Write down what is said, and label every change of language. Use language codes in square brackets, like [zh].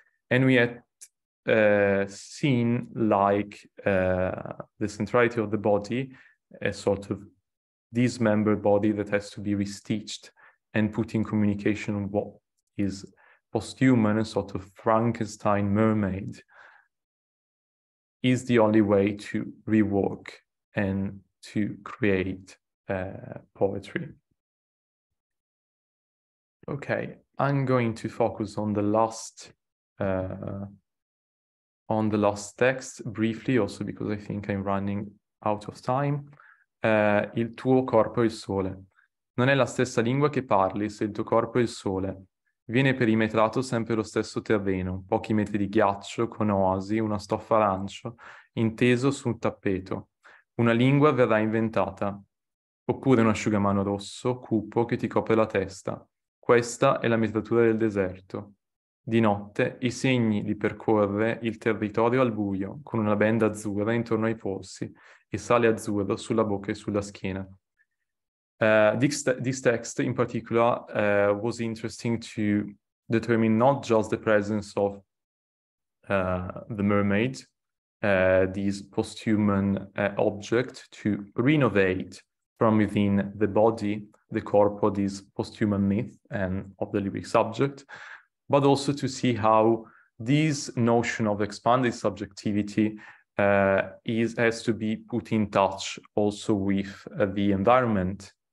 [en] And we had seen the centrality of the body, a sort of dismembered body that has to be restitched and put in communication with what is posthuman, a sort of Frankenstein mermaid, is the only way to rework and to create poetry. Okay, I'm going to focus on the last text briefly, also because I think I'm running out of time. [it] Il tuo corpo è il sole. Non è la stessa lingua che parli se il tuo corpo è il sole. Viene perimetrato sempre lo stesso terreno, pochi metri di ghiaccio con oasi, una stoffa arancio, inteso su un tappeto. Una lingua verrà inventata, oppure un asciugamano rosso, cupo, che ti copre la testa. Questa è la metratura del deserto. Di notte, i segni di percorrere il territorio al buio, con una benda azzurra intorno ai polsi, e sale azzurro sulla bocca e sulla schiena. [en] This text in particular was interesting to determine not just the presence of the mermaid, this posthuman object, to renovate from within the body, the corpo, this posthuman myth and of the lyric subject, but also to see how this notion of expanded subjectivity has to be put in touch also with the environment.